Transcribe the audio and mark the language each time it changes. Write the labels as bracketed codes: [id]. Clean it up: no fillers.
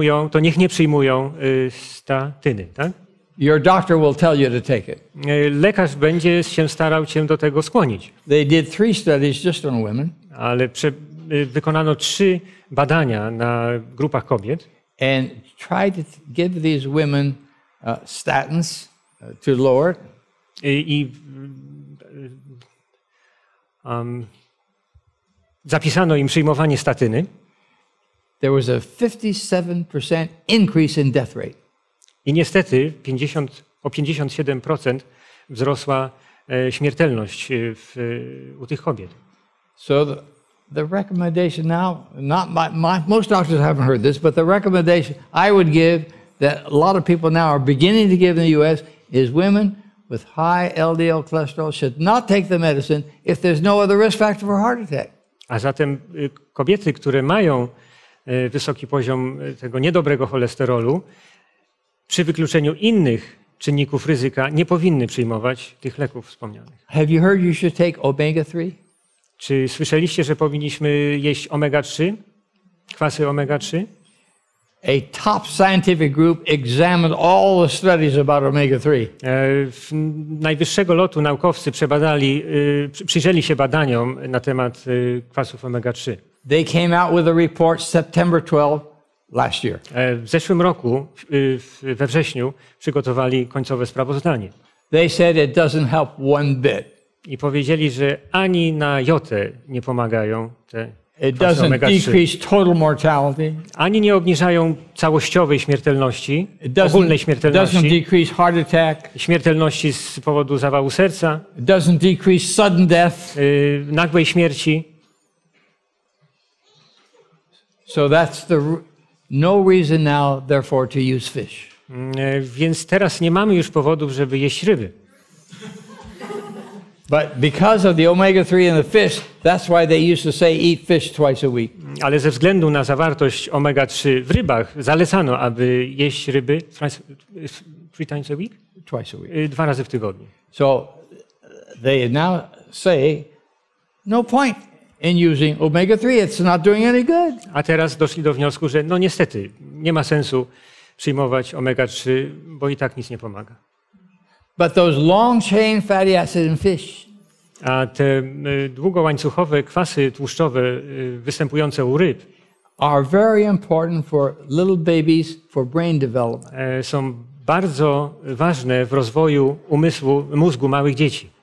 [pl] To niech nie przyjmują statyny, tak? [en] Your doctor will tell you to take it. [pl] Lekarz będzie się starał cię do tego skłonić. [en] They did 3 studies just on women. [pl] Ale wykonano 3 badania na grupach kobiet. [en] And tried to give these women statins to lower. [pl] Zapisano im przyjmowanie statyny. [en] There was a 57% increase in death rate. [pl] I niestety o 57% wzrosła śmiertelność u tych kobiet. [en] So the recommendation now, not my most doctors haven't heard this, but the recommendation I would give that a lot of people now are beginning to give in the US is women with high LDL cholesterol should not take the medicine if there's no other risk factor for heart attack. [pl] A zatem kobiety, które mają wysoki poziom tego niedobrego cholesterolu, przy wykluczeniu innych czynników ryzyka, nie powinny przyjmować tych leków wspomnianych. [en] Have you heard you should take omega-3? [pl] Czy słyszeliście, że powinniśmy jeść omega-3, kwasy omega-3? [en] A top scientific group examined all the studies about omega-3. [pl] Najwyższego lotu naukowcy przebadali, przyjrzeli się badaniom na temat kwasów omega-3. [en] They came out with a report September 12 last year. [pl] W zeszłym roku, we wrześniu, przygotowali końcowe sprawozdanie. [en] They said it doesn't help one bit. [pl] I powiedzieli, że ani na jotę nie pomagają te [en] it doesn't decrease total mortality. [pl] Ani nie obniżają całościowej śmiertelności, ogólnej śmiertelności. [en] It doesn't decrease heart attack. [pl] Śmiertelności z powodu zawału serca. [en] It doesn't decrease sudden death. [pl] Nagłej śmierci. [en] So that's the no reason now, therefore, to use fish. [pl] Więc teraz nie mamy już powodów, żeby jeść ryby. [en] But because of the omega-3 in the fish, that's why they used to say eat fish twice a week. [pl] Ale ze względu na zawartość omega-3 w rybach zalecano, aby jeść ryby [en] three times a week? Twice a week. [pl] Dwa razy w tygodniu. [en] So they now say no point in using omega-3, it's not doing any good. [pl] A teraz doszli do wniosku, że no niestety nie ma sensu przyjmować omega-3, bo i tak nic nie pomaga. [en] But those long-chain fatty acids in fish. [pl] A te długołańcuchowe kwasy tłuszczowe występujące u ryb [en] are very important for little babies for brain development. [pl] Są bardzo ważne w rozwoju umysłu, mózgu małych dzieci.